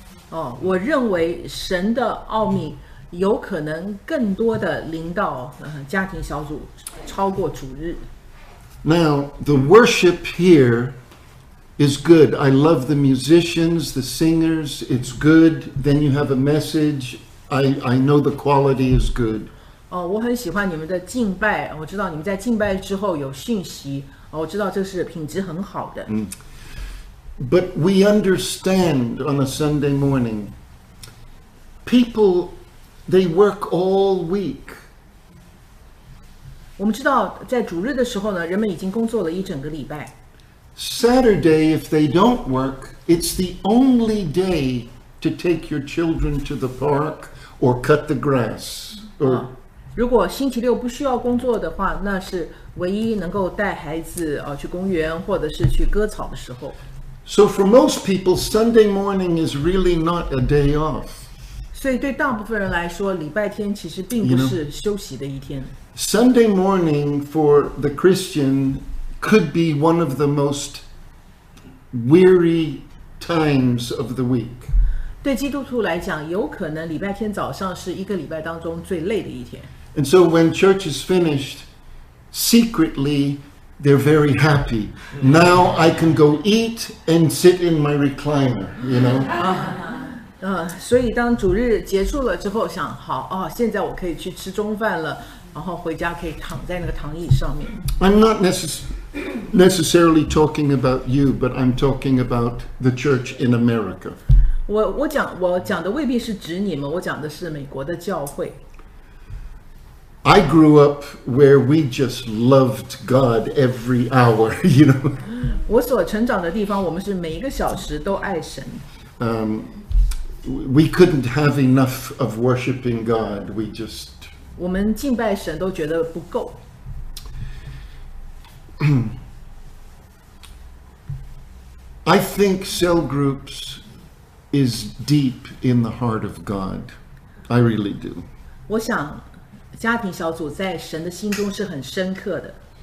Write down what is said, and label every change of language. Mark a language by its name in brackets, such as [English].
[Chinese] 哦，我认为神的奥秘有可能更多的临到家庭小组，超过主日。 [English] Now the worship here is good. I love the musicians, the singers. It's good. Then you have a message. I know the quality is good. [Chinese] 哦、我很喜欢你们的敬拜，我知道你们在敬拜之后有讯息、哦、我知道这是品质很好的、 [English] But we understand on a Sunday morning, people, they work all week. [Chinese] 我们知道在主日的时候呢，人们已经工作了一整个礼拜。 [English] Saturday, if they don't work, it's the only day to take your children to the park or cut the grass or...、 [Chinese] 哦如果星期六不需要工作的话，那是唯一能够带孩子、去公园或者是去割草的时候。 [English] So for most people, Sunday morning is really not a day off. [Chinese] 所以对大部分人来说，礼拜天其实并不是休息的一天。 [English] You know, Sunday morning for the Christian could be one of the most weary times of the week. [Chinese] 对基督徒来讲，有可能礼拜天早上是一个礼拜当中最累的一天。 [English] And so when church is finished, secretly, they're very happy. Now I can go eat and sit in my recliner, you know? [Chinese] 所以当主日结束了之后想好、哦、现在我可以去吃中饭了然后回家可以躺在那个躺椅上面。 [English] I'm not necessarily talking about you, but I'm talking about the church in America. [Chinese] 我讲的未必是指你们，我讲的是美国的教会。 [English] I grew up where we just loved God every hour, you know. [Chinese] 我所成长的地方，我们是每一个小时都爱神。 [English] We couldn't have enough of worshiping God. We just [Chinese] 我们敬拜神都觉得不够。 [English] I think cell groups is deep in the heart of God. I really do. [Chinese] 我想。家庭小组在神的心中是很深刻的。